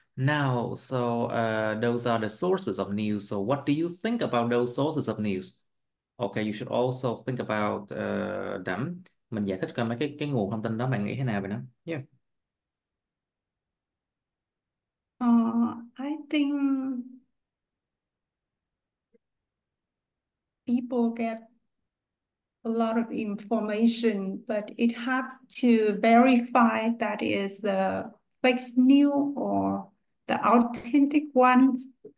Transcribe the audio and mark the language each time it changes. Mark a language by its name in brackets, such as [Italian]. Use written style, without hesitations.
[English] Now, so those are the sources of news. So what do you think about those sources of news? Okay, you should also think about them. [Vietnamese] Mình giải thích coi mấy cái nguồn thông tin đó bạn nghĩ thế nào về nó. [English] Yeah. I think people get a lot of information, but it have to verify that is the fake news or the authentic ones.